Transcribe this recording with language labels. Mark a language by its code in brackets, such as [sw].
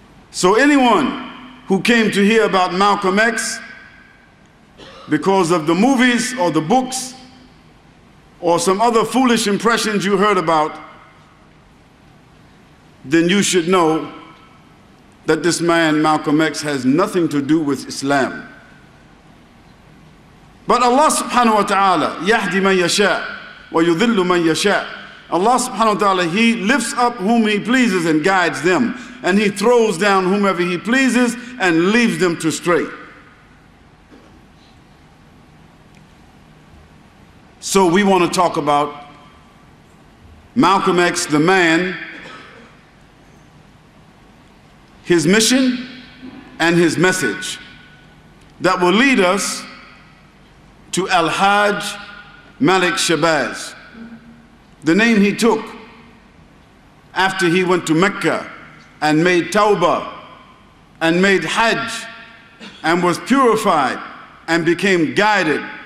[en] So anyone who came to hear about Malcolm X because of the movies or the books or some other foolish impressions you heard about, then you should know that this man, Malcolm X, has nothing to do with Islam. But Allah subhanahu wa ta'ala, [ar] يَهْدِي مَنْ يَشَاءُ وَيُذِلُّ مَنْ يَشَاءُ. [en] Allah subhanahu wa ta'ala, He lifts up whom He pleases and guides them, and He throws down whomever He pleases and leaves them to stray. So we want to talk about Malcolm X, the man, his mission and his message that will lead us to Al-Hajj Malik Shabazz, the name he took after he went to Mecca and made Tawbah and made Hajj and was purified and became guided.